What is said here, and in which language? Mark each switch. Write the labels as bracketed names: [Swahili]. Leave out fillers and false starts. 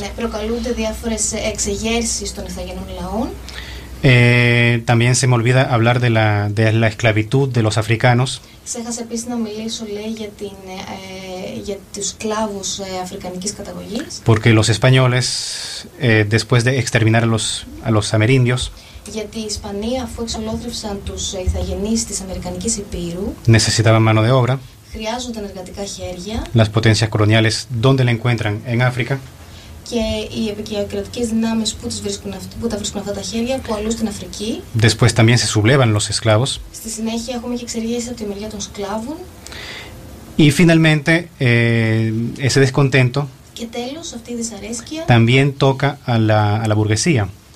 [Greek] Ναι, προκαλούνται διάφορες εξεγέρσεις των ηθαγενών λαών. [Spanish] También se me olvida hablar de la esclavitud de los africanos. [Greek] Ξέχασα επίσης να μιλήσω, λέει, για τους σκλάβους αφρικανικής καταγωγής. [Spanish] Porque los españoles, después de exterminar a los amerindios. [Greek] Γιατί οι Ισπανοί, αφού εξολόθρευσαν τους ηθαγενείς της Αμερικανικής Υπήρου. [Spanish] Necesitaban mano de obra. [Greek] Χρειάζονταν εργατικά χέρια. [Spanish] Las potencias coloniales, ¿dónde la encuentran? En África. [Greek] Και οι επικεκρατικές δυνάμεις, που τα βρίσκουν αυτά τα χέρια, που αλλού στην Αφρική. [Spanish] Después también se sublevan los esclavos. [Greek] Στη συνέχεια έχουμε και εξεγέρσεις από τη μεριά των σκλάβων. [Spanish] Y finalmente, ese descontento. [Greek] Και τέλος, αυτή η δυσαρέσκεια. [Spanish] También toca a la burguesía.